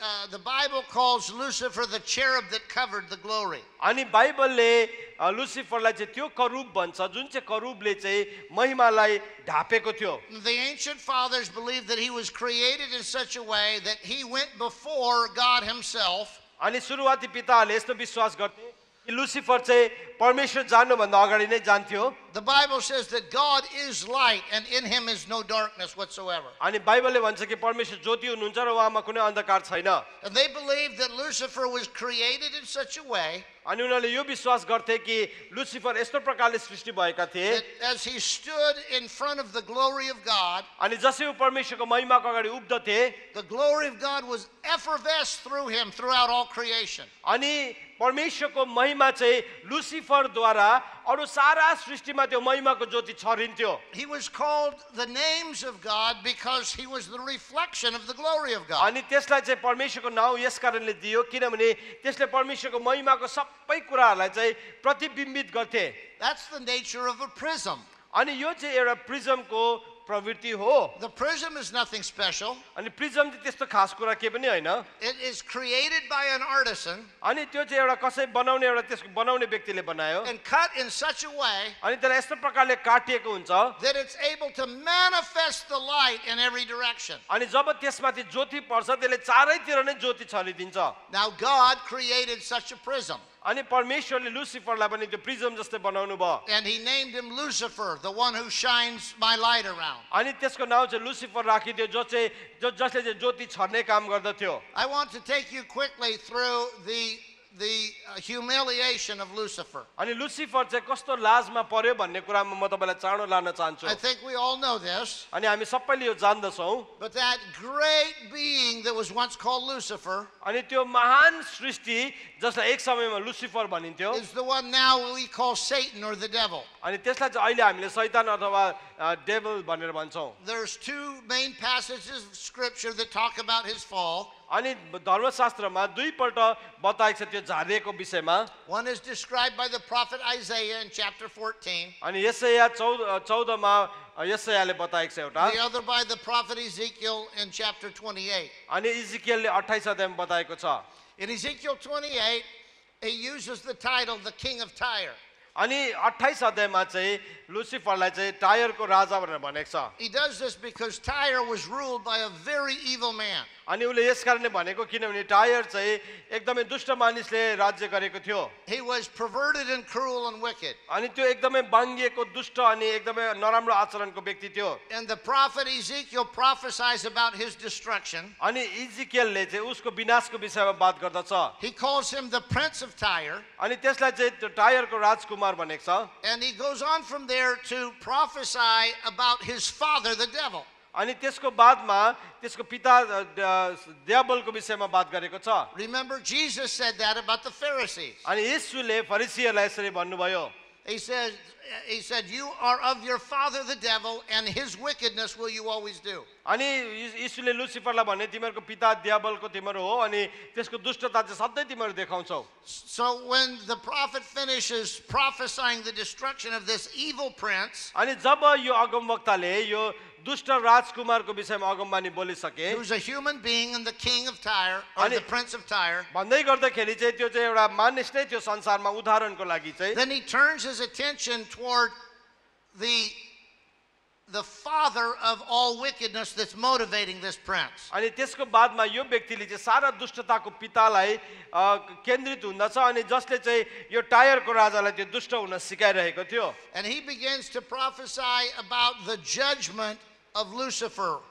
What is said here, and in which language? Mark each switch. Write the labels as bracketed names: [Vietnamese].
[English] The Bible calls Lucifer the cherub that covered the glory. [Nepali] अनि बाइबलले लुसिफरलाई चाहिँ त्यो करूब भन्छ जुन चाहिँ करूबले चाहिँ महिमालाई ढापेको थियो. [English] The ancient fathers believed that he was created in such a way that he went before God himself. [Nepali] अनि सुरुवाती पिताहरूले यस्तो विश्वास गर्थे कि लुसिफर चाहिँ परमेश्वर जान्नुभन्दा अगाडि नै जान्थ्यो. [English] The Bible says that God is light and in him is no darkness whatsoever. [Nepali] अनि बाइबलले भन्छ कि परमेश्वर ज्योति हुनुहुन्छ र उहाँमा कुनै अन्धकार छैन. [English] And they believed that Lucifer was created in such a way. [Nepali] अनि उनीहरूले यो विश्वास गर्थे कि लुसिफर यस्तो प्रकारले सृष्टि भएका थिए. [English] As he stood in front of the glory of God. [Nepali] अनि जसरी परमेश्वरको महिमाको अगाडि उभ्दथे. [English] The glory of God was effervesced through him throughout all creation. [Nepali] अनि परमेश्वरको महिमा चाहिँ लुसिफर द्वारा अरु सारा सृष्टिमा त्यो महिमाको ज्योति छरिन्थ्यो. [English] He was called the names of God because he was the reflection of the glory of God. [Nepali] अनि त्यसलाई चाहिँ परमेश्वरको नाउँ यसकारणले दियो किनभने त्यसले परमेश्वरको महिमाको सबै कुराहरूलाई चाहिँ प्रतिबिम्बित गर्थे. [English] That's the nature of a prism. [Nepali] अनि यो चाहिँ एउटा प्रिज्मको प्रवृत्ति हो. [English] The prism is nothing special. [Nepali] अनि प्रिज्म चाहिँ त्यस्तो खास कुरा के पनि हैन. [English] It is created by an artisan. [Nepali] अनि त्यो चाहिँ एउटा कसै बनाउने एउटा त्यसको बनाउने व्यक्तिले बनायो. [English] And cut in such a way. [Nepali] अनि त्यसलाई यस्तो प्रकारले काटिएको हुन्छ. [English] That it's able to manifest the light in every direction. [Nepali] अनि जब त्यसमाथि ज्योति पर्छ त्यसले चारैतिर नै ज्योति छरिदिन्छ. [English] Now God created such a prism. [Nepali] अनि परमेश्वरले लुसिफरलाई पनि त्यो प्रिज्म जस्तै बनाउनु भयो. [English] And he named him Lucifer, the one who shines my light around. [Nepali] अनि त्यसको नाउँ चाहिँ लुसिफर राखिदियो जसले चाहिँ ज्योति छर्ने काम गर्दथ्यो. [English] I want to take you quickly through the humiliation of Lucifer. [Nepali] अनि लुसिफर चाहिँ कस्तो लाजमा पर्यो भन्ने कुरामा म तपाईलाई चाँडो लान चाहन्छु. [English] I think we all know this. [Nepali] अनि हामी सबैले यो जान्दछौं. [English] But that great being that was once called Lucifer. [Nepali] अनि त्यो महान सृष्टि जसलाई एक समयमा लुसिफर भनिन्थ्यो. [English] Is the one now we call Satan or the devil. [Nepali] अनि त्यसलाई चाहिँ अहिले हामीले शैतान अथवा devil भनेर भन्छौं. [English] There's two main passages of scripture that talk about his fall. [Nepali] अनि धर्मशास्त्रमा दुईपल्ट बताएको छ त्यो झारिएको विषयमा. [English] One is described by the prophet Isaiah in chapter 14. [Nepali] अनि यसैया 14मा यसैयाले बताएको छ एउटा. [English] The other by the prophet Ezekiel in chapter 28. [Nepali] अनि इजिकियलले 28 अध्यायमा बताएको छ. [English] In Ezekiel 28, he uses the title the king of Tyre. [Nepali] अनि 28 अध्यायमा चाहिँ लुसिफरलाई चाहिँ टायरको राजा भनेर भनेको छ. [English] He does this because Tyre was ruled by a very evil man. [Nepali] अनि उसले यसकारणले भनेको किनभने टायर चाहिँ एकदमै दुष्ट मानिसले राज्य गरेको थियो. [English] He was perverted and cruel and wicked. [Nepali] अनि त्यो एकदमै बाङ्गिएको दुष्ट अनि एकदमै नराम्रो आचरणको व्यक्ति थियो. [English] And the prophet Ezekiel prophesies about his destruction. [Nepali] अनि इजिकियलले चाहिँ उसको विनाशको विषयमा बात गर्दछ. [English] He calls him the prince of Tyre. [Nepali] अनि त्यसलाई चाहिँ त्यो टायरको राजकुमार भनेको छ. [English] And he goes on from there to prophesy about his father the devil. [Nepali] अनि त्यसको बादमा त्यसको पिता डेबलको विषयमा बात गरेको छ. [English] Remember Jesus said that about the Pharisees. [Nepali] अनि येशूले फरिसीहरूलाई यसरी भन्नुभयो. [English] He said you are of your father the devil and his wickedness will you always do. [Nepali] अनि येशूले लुसिफरलाई भन्ने तिमीहरूको पिता डेबलको तिमीहरू हो अनि त्यसको दुष्टता चाहिँ सधैं तिमीहरू देखाउँछौ. [English] So when the prophet finishes prophesying the destruction of this evil prince. [Nepali] अनि जब यो अगमवक्ताले यो दुष्ट राजकुमारको विषयमा अगमबानी बोलिसके. [English] He was a human being and the king of Tyre or the prince of Tyre. [Nepali] भन्दै गर्दाखेरि चाहिँ त्यो चाहिँ एउटा मानिस नै त्यो संसारमा उदाहरणको लागि चाहिँ. [English] Then he turns his attention toward the father of all wickedness that's motivating this prince. [Nepali] अनि त्यसको बादमा यो व्यक्तिले चाहिँ सारा दुष्टताको पितालाई केन्द्रित हुँदछ अनि जसले चाहिँ यो टायरको राजालाई त्यो दुष्ट हुन सिकाइरहेको थियो. [English] And he begins to prophesy about the judgment of Lucifer.